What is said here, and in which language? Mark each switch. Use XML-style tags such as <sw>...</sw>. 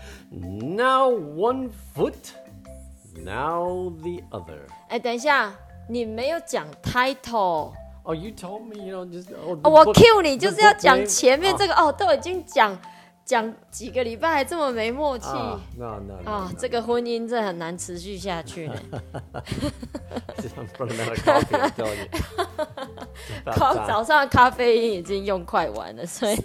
<en>Now one foot, now the other。</en> <zh>哎，等一下，你没有讲 title。</zh> <en>Oh, you told me, you know, just... Oh,</en> <zh>book, 我 cue 你就是要讲前面这个、oh. 哦，都已经讲几个礼拜还这么没默契。</zh> <en>No.</en> <zh>这个婚姻真的很难持续下去呢。</zh> <en>Just in front of another coffee, I tell you.</en> <zh>早上的咖啡因已经用快完了，所以</zh>